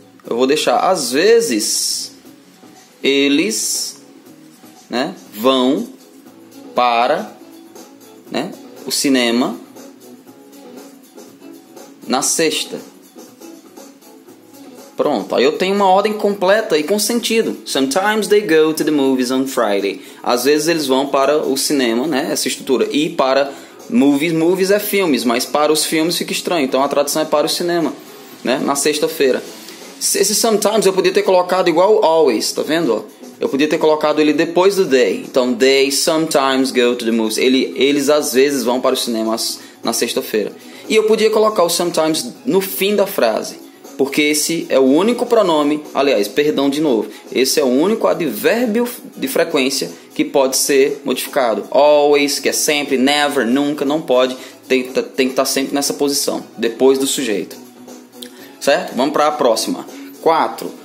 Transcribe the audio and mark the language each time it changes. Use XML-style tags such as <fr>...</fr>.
<pt>Eu vou deixar. Às vezes, eles, né, vão para, né, o cinema na sexta. Pronto. Aí eu tenho uma ordem completa e com sentido.</pt> <en>Sometimes they go to the movies on Friday.</en> <pt>Às vezes eles vão para o cinema, né, essa estrutura. E para movies, movies é filmes, mas para os filmes fica estranho. Então a tradução é para o cinema, né, na sexta-feira. Esse sometimes eu podia ter colocado igual always, tá vendo, ó? Eu podia ter colocado ele depois do day.</pt> <en>Então, they sometimes go to the movies.</en> <pt>Eles às vezes vão para os cinemas na sexta-feira. E eu podia colocar o sometimes no fim da frase, porque esse é o único pronome... Aliás, perdão de novo. Esse é o único advérbio de frequência que pode ser modificado. Always, que é sempre. Never, nunca, não pode. Tem que estar sempre nessa posição, depois do sujeito. Certo? Vamos para a próxima. 4.</pt>